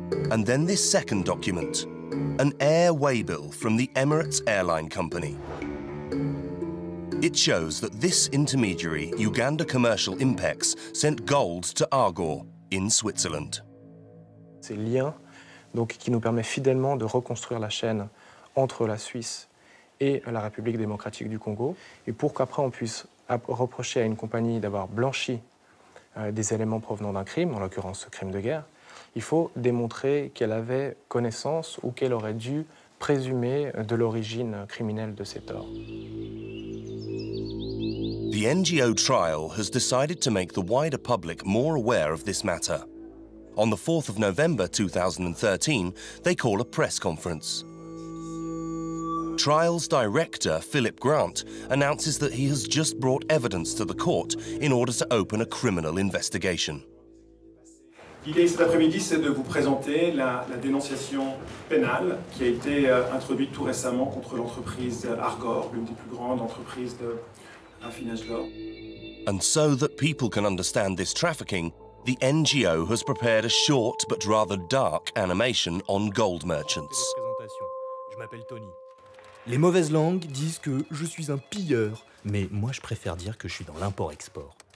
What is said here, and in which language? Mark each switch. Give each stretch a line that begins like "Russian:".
English: And then this second document, an air waybill from the Emirates Airline Company. It shows that this intermediary, Uganda Commercial Impex, sent gold to Argor in Switzerland.
French: Ces liens, donc, qui nous permet fidèlement de reconstruire la chaîne entre la Suisse et la République démocratique du Congo, et pour qu'après on puisse reprocher à une compagnie d'avoir blanchi des éléments provenant d'un crime, en l'occurrence ce crime de guerre, il faut démontrer qu'elle avait connaissance ou qu'elle aurait dû présumer de l'origine criminelle de ces torts.
English: The NGO trial has decided to make the wider public more aware of this matter. On the 4th of November 2013, they call a press conference. Trial's director, Philip Grant, announces that he has just brought evidence to the court in order to open a criminal investigation.
French: L'idée cet après-midi, c'est de vous présenter la dénonciation pénale qui a été introduite tout récemment contre l'entreprise Argor, l'une des plus grandes entreprises de raffinage d'or.
English: And so that people can understand this trafficking, the NGO has prepared a short but rather dark animation on gold merchants.
French: Je m'appelle Tony. Les mauvaises langues disent que je suis un pilleur, mais moi je préfère dire que je suis dans l'import-export.